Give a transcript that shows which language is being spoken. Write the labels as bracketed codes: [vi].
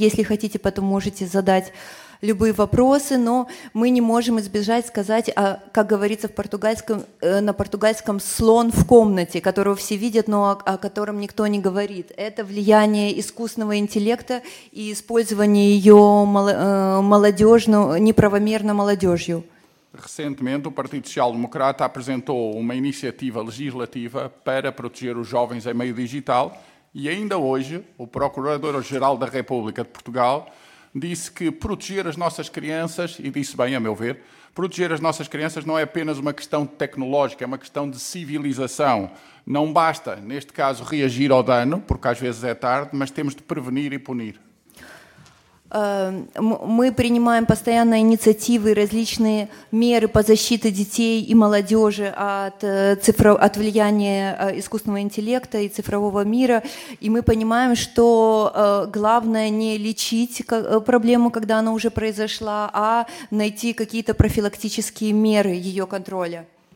[ru] Если хотите, потом можете задать любые вопросы, но мы не можем избежать сказать, как говорится в португальском, на португальском, слон в комнате, которого все видят, но о котором никто не говорит. Это влияние искусственного интеллекта и использование ее молодежью, неправомерно молодежью. [pt] Recentemente, o Partido Social Democrata apresentou uma iniciativa legislativa para proteger os jovens em meio digital e ainda hoje, o Procurador-Geral da República de Portugal disse que proteger as nossas crianças, e disse bem, a meu ver, proteger as nossas crianças não é apenas uma questão tecnológica, é uma questão de civilização. Não basta, neste caso, reagir ao dano, porque às vezes é tarde, mas temos de prevenir e punir. [ru] Мы принимаем постоянные инициативы, различные меры по защите детей и молодежи от влияния искусственного интеллекта и цифрового мира. И мы понимаем, что главное не лечить проблему, когда она уже произошла, а найти какие-то профилактические меры ее контроля.